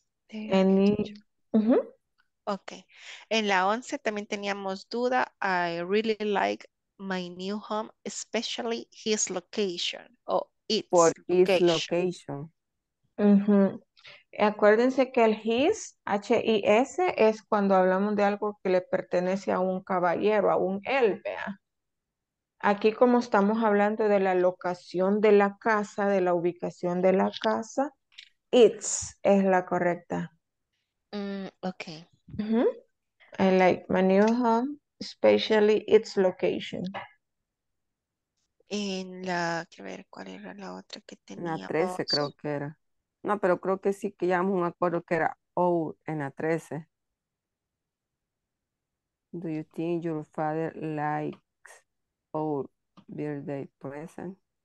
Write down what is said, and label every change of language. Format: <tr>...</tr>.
<en>Any.</en> <es>Okay. En la 11 también teníamos duda.</es> <en>I really like my new home, especially his location.</en> <es>O its</es> <en>por location. His location.</en> <es>Acuérdense que el his, H-I-S, es cuando hablamos de algo que le pertenece a un caballero, a un él, vea. Aquí como estamos hablando de la locación de la casa, de la ubicación de la casa, it's es la correcta.</es> <en>Okay. I like my new home, especially its location.</en> <es>En la, quiero ver, ¿cuál era la otra que tenía? La 13 creo que era. No, pero creo que sí que ya me acuerdo que era en la 13.</es> <en>Do you think your father likes our birthday present?</en>